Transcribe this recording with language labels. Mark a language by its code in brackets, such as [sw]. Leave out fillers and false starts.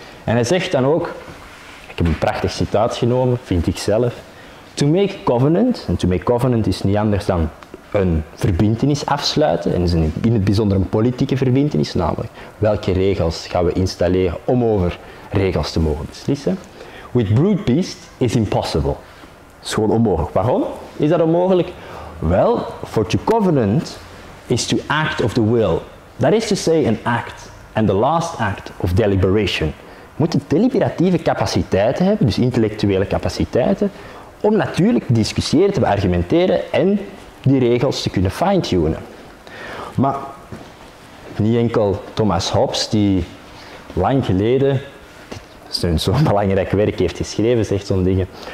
[nl] En hij zegt dan ook, ik heb een prachtig citaat genomen, vind ik zelf, [en] to make covenant, [nl] en [en] to make covenant [nl] is niet anders dan een verbintenis afsluiten, en is in het bijzonder een politieke verbintenis, namelijk welke regels gaan we installeren om over regels te mogen beslissen. [en] With brute beasts is impossible. [nl] Is gewoon onmogelijk. Waarom is dat onmogelijk? [en] Wel, for to covenant is to act of the will. That is to say an act, and the last act of deliberation. [nl] We moeten deliberatieve capaciteiten hebben, dus intellectuele capaciteiten, om natuurlijk te discussiëren, te beargumenteren en die regels te kunnen fine-tunen. Maar niet enkel Thomas Hobbes, die lang geleden zo'n belangrijk werk heeft geschreven, zegt zo'n dingen.